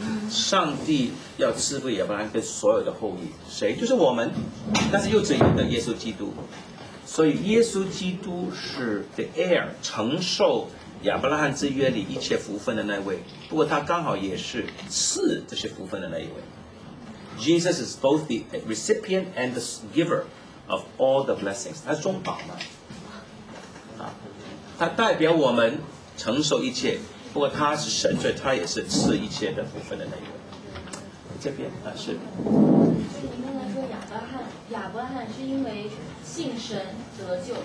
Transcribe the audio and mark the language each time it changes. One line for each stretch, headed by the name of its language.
Chinese: 上帝要赐福亚伯拉罕跟所有的后裔，谁？就是我们，但是又指一个耶稣基督。所以耶稣基督是
English: the heir，
Chinese: 承受亚伯拉罕之约里一切福分的那位。不过他刚好也是赐这些福分的那一位。
English: Jesus is both the recipient and the giver of all the blessings.
Chinese: 他是中保嘛，他代表我们承受一切，不过他是神，所以他也是赐一切的部分的那一位。这边啊，是。你刚才说亚伯拉罕是因为信神得救。